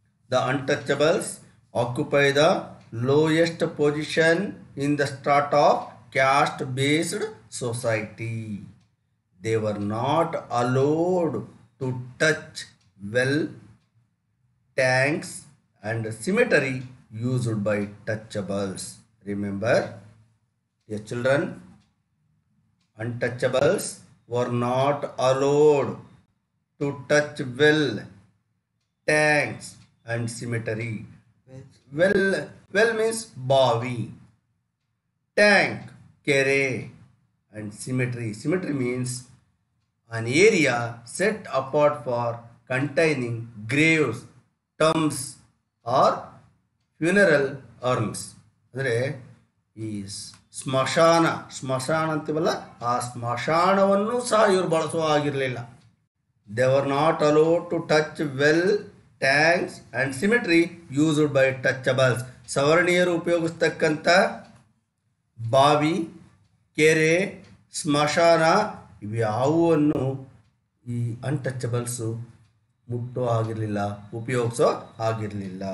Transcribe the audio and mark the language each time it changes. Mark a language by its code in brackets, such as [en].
[en] The untouchables occupy the lowest position in the strata of caste based society. They were not allowed to touch well, tanks and cemetery used by touchables. Remember, your children, untouchables were not allowed to touch well, tanks and cemetery. Well means bavi, tank, kere and cemetery. Cemetery means an area set apart for containing graves, tombs or funeral urns. [kn] ಅಂದರೆ ಈ ಸ್ಮಶಾನ ಸ್ಮಶಾನ ಅಂತೀವಲ್ಲ ಆ ಸ್ಮಶಾನವನ್ನು ಸಹ ಇವರು ಬಳಸುವ ಆಗಿರಲಿಲ್ಲ. [en] They were not allowed to touch well, tanks and cemetery used by touchables. [kn] ಸವರ್ಣೀಯರು ಉಪಯೋಗಿಸ್ತಕ್ಕಂಥ ಬಾವಿ, ಕೆರೆ, ಸ್ಮಶಾನ ಇವು ಯಾವುವನ್ನು ಈ ಅನ್ಟಚಬಲ್ಸು ಮುಟ್ಟೋ ಆಗಿರಲಿಲ್ಲ, ಉಪಯೋಗಿಸೋ ಆಗಿರಲಿಲ್ಲ.